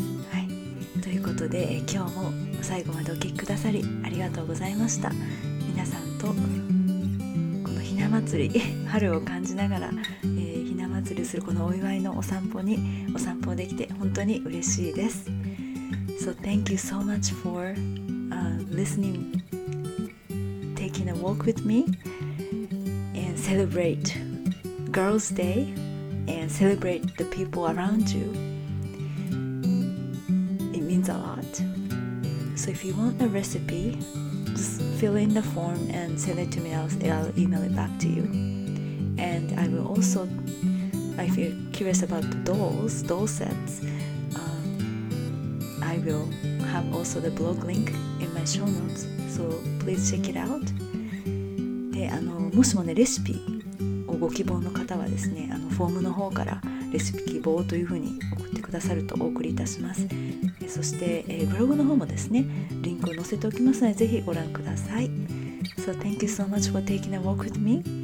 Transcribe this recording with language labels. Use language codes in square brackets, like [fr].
[ja] はい、ということで、今日も最後までお聞きくださりありがとうございました。皆さんとこのひな祭り春を感じながら、するこのお祝いのお散歩できて本当に嬉しいです。 [en] So thank you so much for listening, taking a walk with me and celebrate Girls Day and celebrate the people around you. It means a lot. So if you want a recipe, just fill in the form and send it to me. I'll email it back to you. And I will also,If you're curious about the doll sets, I will have also the blog link in my show notes, so please check it out. [ja] で、もしもね、レシピをご希望の方はですね、フォームの方からレシピ希望というふうに送ってくださるとお送りいたします。そして、ブログの方もですね、リンクを載せておきますので、ぜひご覧ください。 [en] So thank you so much for taking a walk with me.